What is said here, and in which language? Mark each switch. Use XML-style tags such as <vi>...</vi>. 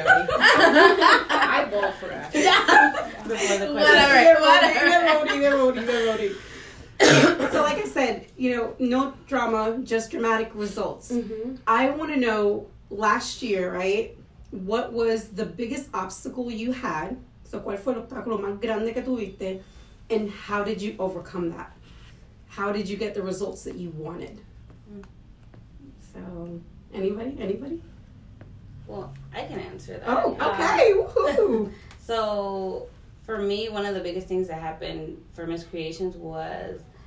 <en>I bought for Ashley. Yeah. They're voting. So like I said, you know, no drama, just dramatic results. Mm-hmm. I want to know, last year, right, what was the biggest obstacle you had?</en> <es>So, ¿cuál fue el obstáculo más grande que tuviste?</es> <en>And how did you overcome that? How did you get the results that you wanted? Mm-hmm. So, anybody? Well, I can answer that. Oh, okay. Woo-hoo. So, for me, one of the biggest things that happened for Miss Creations was...</en>